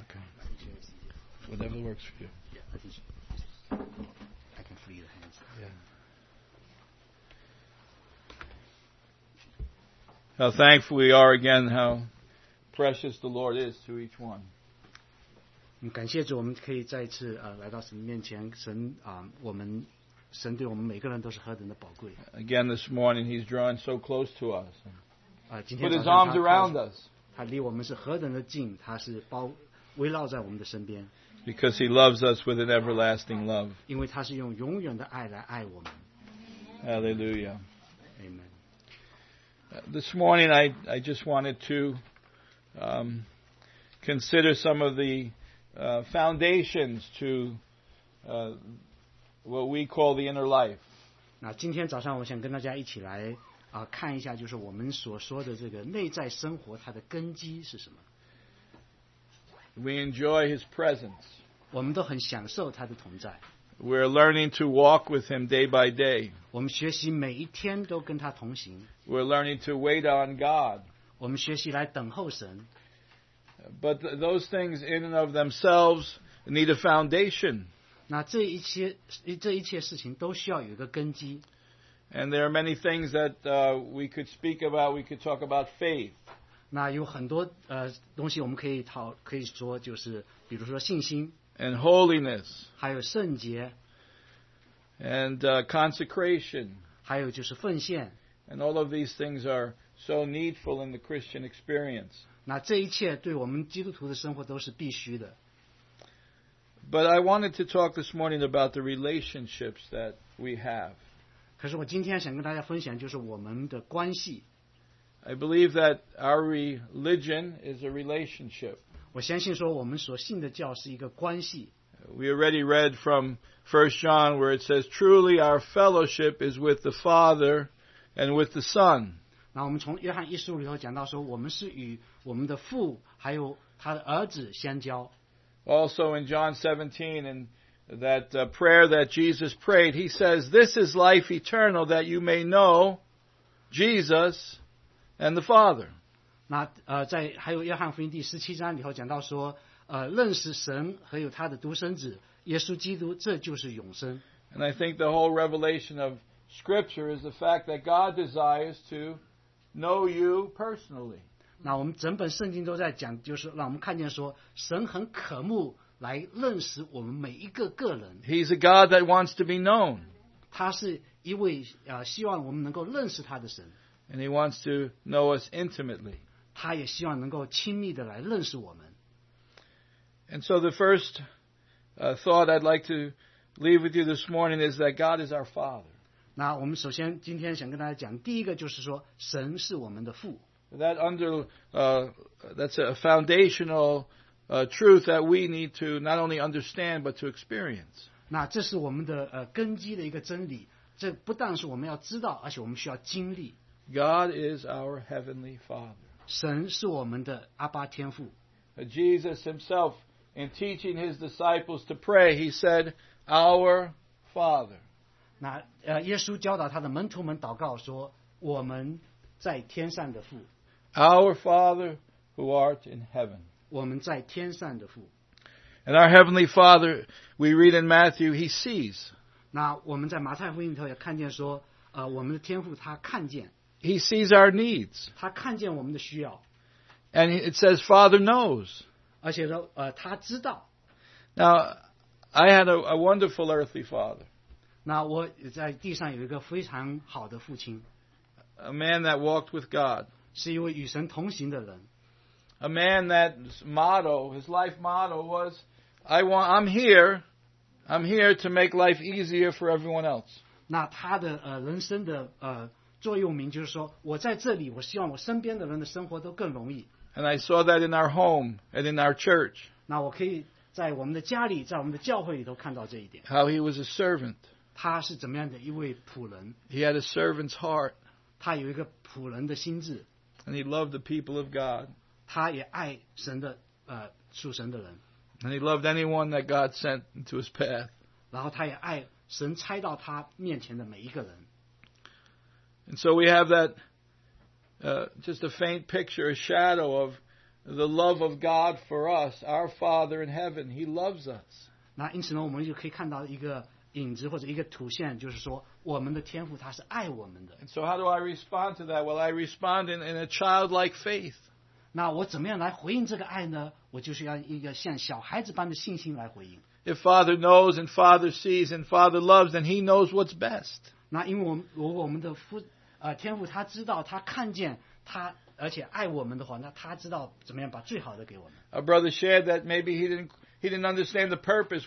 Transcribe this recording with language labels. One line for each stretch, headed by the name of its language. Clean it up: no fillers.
English: Okay. Whatever works for you. I can free the hands. Yeah. How thankful we are again, how precious the Lord is to each one.
Chinese: 感谢主，我们可以再一次来到神面前，神我们神对我们每个人都是何等的宝贵。
English: Again this morning, he's drawing so close to us.
Chinese: 今天
English: put his arms around us.
Chinese: 他离我们是何等的近，他是围绕在我们的身边。
English: Because he loves us with an everlasting love.
Chinese: 因为他是用永远的爱来爱我们。
English: Hallelujah. Amen. This morning, I just wanted to consider some of the foundations to what we call the inner life.
Chinese: 那今天早上我想跟大家一起来看一下，就是我们所说的这个内在生活，它的根基是什么。
English: We enjoy His presence.
Chinese: 我们都很享受他的同在。
English: We're learning to walk with Him day by day.
Chinese: 我们学习每一天都跟他同行。
English: We're learning to wait on God.
Chinese: 我们学习来等候神。
English: But those things in and of themselves need a foundation.
Chinese: 那这一切事情都需要有一个根基。
English: And there are many things that we could speak about. We could talk about faith.
Chinese: 那有很多东西我们可以说，就是比如说信心。
English: And holiness.
Chinese: 还有圣洁。
English: And consecration.
Chinese: 还有就是奉献。
English: And all of these things are so needful in the Christian experience.
Chinese: 那这一切对我们基督徒的生活都是必须的。
English: But I wanted to talk this morning about the relationships that we have.
Chinese: 可是我今天想跟大家分享就是我们的关系。
English: I believe that our religion is a relationship.
Chinese: 我相信说我们所信的教是一个关系。
English: We already read from 1 John where it says, Truly our fellowship is with the Father and with the Son.
Chinese: 那我们从约翰一书里头讲到说，我们是与我们的父还有他的儿子相交。
English: Also in John 17, in that prayer that Jesus prayed, he says, "This is life eternal, that you may know Jesus and the Father."
Chinese: 那在还有约翰福音第十七章里头讲到说，认识神和有他的独生子耶稣基督，这就是永生。
English: And I think the whole revelation of Scripture is the fact that God desires to know you personally.
Chinese: 那我们整本圣经都在讲，就是让我们看见说，神很渴慕来认识我们每一个个人。
English: He's a God that wants to be known.
Chinese: 他是一位希望我们能够认识他的神。
English: And he wants to know us intimately.
Chinese: 他也希望能够亲密的来认识我们。
English: And so the first thought I'd like to leave with you this morning is that God is our Father.
Chinese: 那我们首先今天想跟大家讲，第一个就是说，神是我们的父。
English: That under that's a foundational truth that we need to not only understand but to experience.
Chinese: 那这是我们的根基的一个真理，这不但是我们要知道，而且我们需要经历。
English: God is our heavenly Father.
Chinese: 神是我们的阿爸天父。
English: Jesus himself, in teaching his disciples to pray, he said, "Our Father."
Chinese: 那耶稣教导他的门徒们祷告说，我们在天上的父。
English: Our Father who art in heaven.
Chinese: 我们在天上的父。
English: And our Heavenly Father, we read in Matthew, he sees.
Chinese: 那我们在马太福音里头也看见说，我们的天父他看见。
English: He sees our needs.
Chinese: 他看见我们的需要。
English: And it says, Father knows.
Chinese: 而且说，他知道。
English: Now, I had a wonderful earthly father.
Chinese: 那我在地上有一个非常好的父亲。
English: A man that walked with God.
Chinese: 是一位与神同行的人。
English: A man that's motto, his life motto was, I'm here to make life easier for everyone else.
Chinese: 那他的人生的座右铭就是说，我在这里，我希望我身边的人的生活都更容易。
English: And I saw that in our home and in our church.
Chinese: 那我可以在我们的家里，在我们的教会里头看到这一点。
English: How he was a servant.
Chinese: 他是怎么样的一位仆人
English: ？He had a servant's heart.
Chinese: 他有一个仆人的心智。
English: And he loved the people of God.
Chinese: 他也爱神的属神的人。
English: And he loved anyone that God sent into his path.
Chinese: 然后他也爱神差到他面前的每一个人。
English: And so we have that just a faint picture, a shadow of the love of God for us, our Father in heaven. He loves us.
Chinese: 那因此呢，我们就可以看到一个影子或者一个图像，就是说我们的天父他是爱我们的。
English: And so how do I respond to that? Well, I respond in a childlike faith.
Chinese: 那我怎么样来回应这个爱呢？我就是要一个像小孩子般的信心来回应。
English: If Father knows and Father sees and Father loves, then He knows what's best.
Chinese: 那因为我们的父天父他知道他看见他而且爱我们的话，那他知道怎么样把最好的给我们。
English: A brother shared that maybe he didn't understand the purpose.